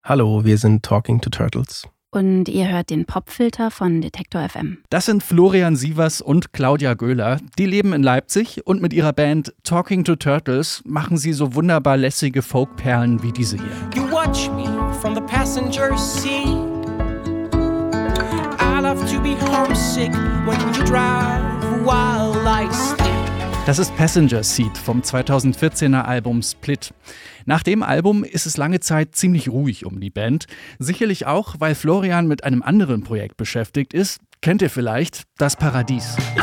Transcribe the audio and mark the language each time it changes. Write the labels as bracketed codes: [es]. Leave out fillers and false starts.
[de] Hallo, wir sind Talking to Turtles. Und ihr hört den Popfilter von Detektor FM. Das sind Florian Sievers und Claudia Göhler. Die leben in Leipzig und mit ihrer Band Talking to Turtles machen sie so wunderbar lässige Folkperlen wie diese hier. [en] You watch me from the passenger seat. I love to be homesick when you drive while I sleep. [de] Das ist Passenger Seat vom 2014er Album Split. Nach dem Album ist es lange Zeit ziemlich ruhig um die Band. Sicherlich auch, weil Florian mit einem anderen Projekt beschäftigt ist. Kennt ihr vielleicht Das Paradies?